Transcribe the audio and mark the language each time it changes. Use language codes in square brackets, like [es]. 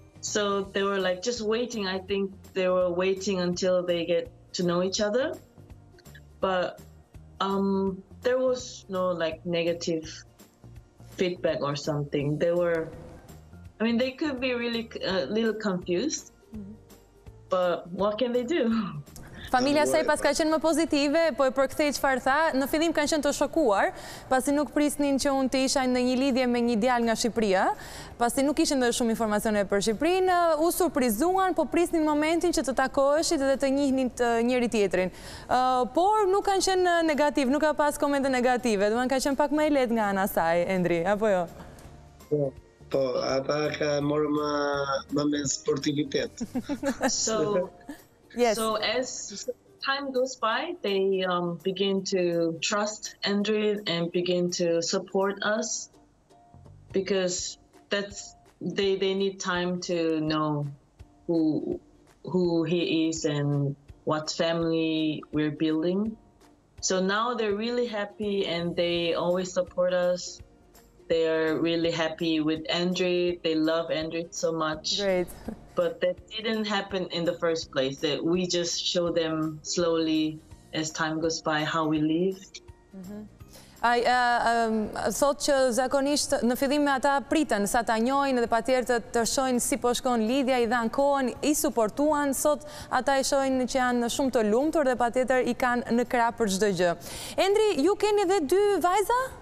[en] So they were like just waiting. I think they were waiting until they get to know each other. But there was no like negative feedback or something. They could be really a little confused, but what can they do? [sq] Familja saj pas ka qenë më pozitive, po e përkthej çfarë tha. Në fillim kanë qenë të shokuar, pasi nuk prisnin që unë të isha në një lidhje me një djalë nga Shqipëria, pasi nuk ishin ndonjë shumë informacione për Shqipërinë, u surprizuan, po prisnin momentin që të takoheshit dhe të njihnin njëri tjetrin. Por nuk kanë qenë negativ, nuk ka pas komente negative. Do të thonë ka qenë pak më e lehtë nga ana saj, Endri, apo jo? Po, ata ka marrë më me sportivitet. [en] Yes. So as time goes by, they begin to trust Endri and begin to support us, because they need time to know who he is and what family we're building. So now they're really happy and they always support us. They are really happy with Endri. They love Endri so much. Great. But that didn't happen in the first place, that we just show them slowly as time goes by how we live. [sq] Ai thot që zakonisht në fillim ata pritën sa ta njohin dhe patjetër të shohin si po shkon lidhja, i dhan kohën, i suportuan. Sot ata e shohin që janë shumë të lumtur dhe patjetër i kanë në krah për çdo gjë. Endri, ju keni edhe dy vajza?